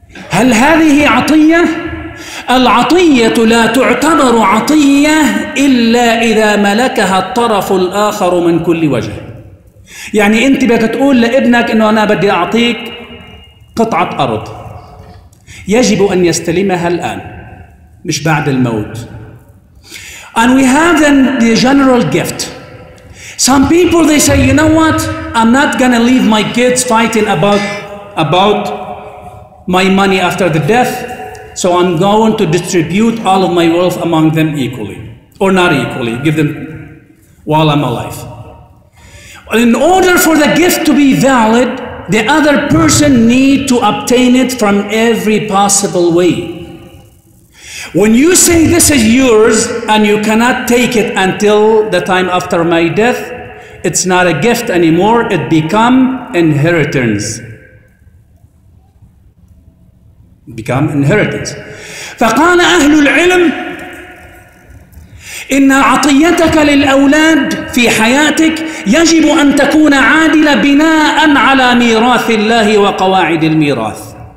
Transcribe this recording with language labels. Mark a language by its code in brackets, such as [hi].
[ar] هل هذه عطية؟ العطية لا تعتبر عطية إلا إذا ملكها الطرف الآخر من كل وجه. يعني أنت بدك تقول لابنك إنه أنا بدي أعطيك قطعة أرض، يجب أن يستلمها الآن مش بعد الموت. [en] And we have then the general gift. Some people they say, you know what, I'm not gonna leave my kids fighting about my money after the death. So I'm going to distribute all of my wealth among them equally, or not equally, give them while I'm alive. In order for the gift to be valid, the other person need to obtain it from every possible way. When you say this is yours and you cannot take it until the time after my death, it's not a gift anymore, it become inheritance. Become inheritance. [ar] فقال أهل العلم إن عطيتك للأولاد في حياتك يجب أن تكون عادلة بناء على ميراث الله وقواعد الميراث.